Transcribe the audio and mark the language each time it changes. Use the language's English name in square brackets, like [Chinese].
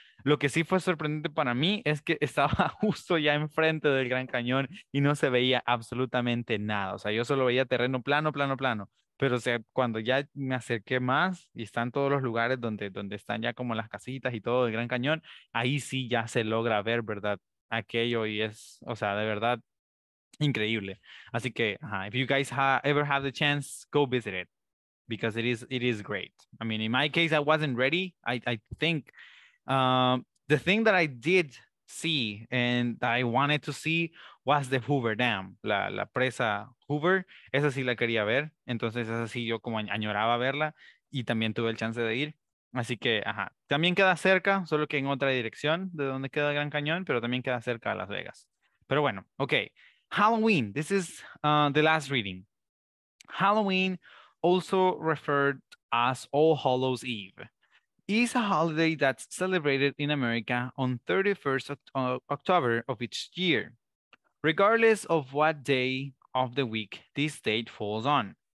[Spanish] Lo que sí fue sorprendente para mí es que estaba justo ya enfrente del Gran Cañón y no se veía absolutamente nada. O sea, yo solo veía terreno plano, plano, plano. Pero o sea, cuando ya me acerqué más y están todos los lugares donde, donde están ya como las casitas y todo del Gran Cañón, ahí sí ya se logra ver, ¿verdad? Aquello y es, o sea, de verdad, increíble. [English] Así que, if you guys ever have the chance, go visit it. Because it is great. I mean, in my case, I wasn't ready. I think the thing that I did see and I wanted to see was the Hoover Dam, la presa Hoover. [Spanish] Esa sí la quería ver. Entonces, esa sí yo como añoraba verla y también tuve el chance de ir. Así que, también queda cerca, solo que en otra dirección de donde queda Gran Cañón, pero también queda cerca a Las Vegas. [English] Pero bueno, okay. Halloween. This is the last reading. Halloween, also referred as All Hallows' Eve, is a holiday that's celebrated in America on 31st October of each year, regardless of what day of the week this date falls on.